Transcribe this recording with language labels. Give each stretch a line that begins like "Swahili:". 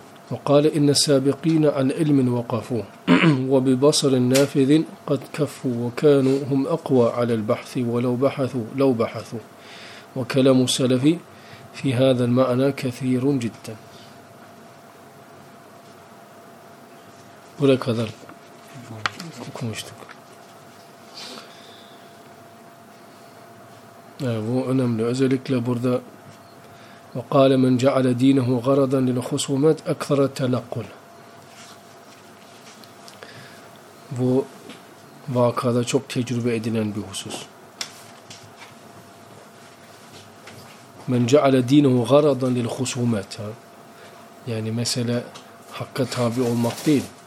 Arabic: وقال: إن السابقين عن علم وقفوا وببصر نافذ قد كفوا، وكانوا هم أقوى على البحث ولو بحثوا لو بحثوا. وكلام السلف في هذا المعنى كثير جدا. ولك هذا
Turkish: bu önemli. Özellikle burada
Arabic: وَقَالَ مَنْ جَعَلَ دِينَهُ غَرَضًا لِلْخُصُومَةِ اَكْثَرَ التَّنَقُّلِ.
Turkish: Bu vakada çok tecrübe edilen bir husus.
Arabic: مَنْ جَعَلَ دِينَهُ غَرَضًا لِلْخُصُومَةِ.
Turkish: Yani mesele hakka tabi olmak değil.